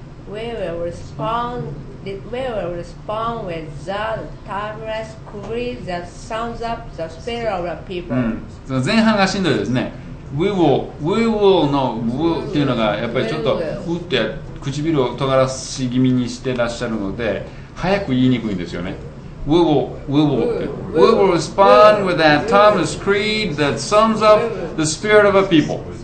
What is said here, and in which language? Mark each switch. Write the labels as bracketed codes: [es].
[en] We will respond with that timeless creed that sums up the spirit of a people. We will respond with that timeless creed that sums up the spirit of a people.、 [ja] うん、前半がしんどいですね。 [en] We will [ja] の will っていうのがやっぱりちょっとうって唇を尖らし気味にしてらっしゃるので早く言いにくいんですよね。 [en] We will respond with that timeless creed that sums up the spirit of a people.